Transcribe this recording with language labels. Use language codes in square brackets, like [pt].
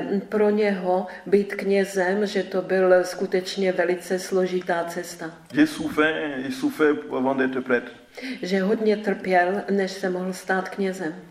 [cs] Pro něho být knězem, že to byl skutečně velice složitá cesta. [fr] J'ai souffert avant d'être prêtre. [cs] Že hodně trpěl, než se mohl stát knězem.